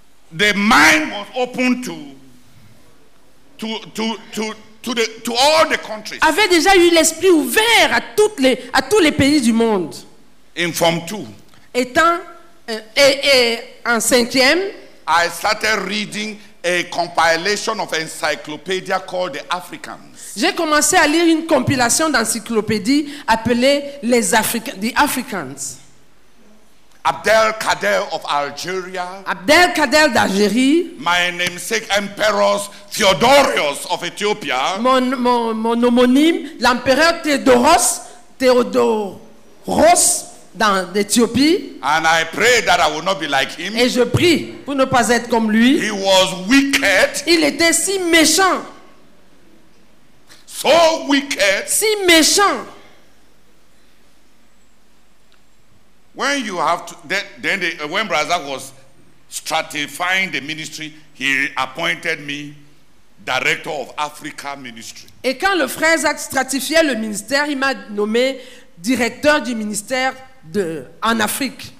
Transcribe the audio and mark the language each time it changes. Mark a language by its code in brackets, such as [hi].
[en] the mind was open to all the countries. [fr] Avait déjà eu l'esprit ouvert à tous les pays du monde. [en] In form two. [fr] Étant Et en cinquième, [en] I started reading a compilation of encyclopedia called the Africans. [fr] J'ai commencé à lire une compilation d'encyclopédie appelée les Africains, the Africans. [en] Abdelkader of Algeria. [fr] Abdelkader d'Algérie. [en] My namesake Emperor Theodorios of Ethiopia. [fr] Mon homonyme, l'empereur Théodoros d'Éthiopie. [en] And I pray that I will not be like him. [fr] Et je prie pour ne pas être comme lui. [en] He was wicked. [fr] Il était si méchant. [en] So wicked. [fr] Si méchant. [en] When you have to, when Brother was stratifying the ministry, he appointed me director of Africa ministry. [fr] Et quand le frère Zach stratifiait le ministère, il m'a nommé directeur du ministère en Afrique.